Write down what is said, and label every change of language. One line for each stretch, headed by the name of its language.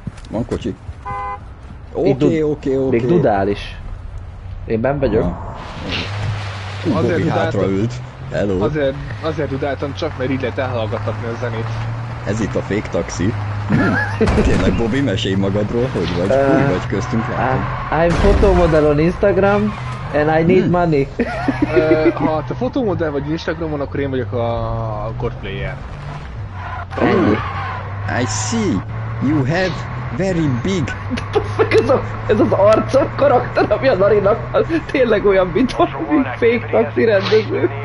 Hungarian: Van kocsi. Oké. Még dudál is. Én benn vagyok. Bobby hátra ült. Hello. Azért dudáltam csak, mert így lehet elhallgattatni a zenét. Ez itt a fake taxi. Tényleg, Bobby, mesélj magadról, hogy vagy. Úgy vagy köztünk látom.
English: I'm photomodel on Instagram, and I need money.
Hungarian: Ha te photomodel vagy Instagramon, akkor én vagyok a court player.
English: I see. You have very big.
Hungarian: Ez az arca karakter, ami a Narinak tényleg olyan, mint valami fake taxi rendező.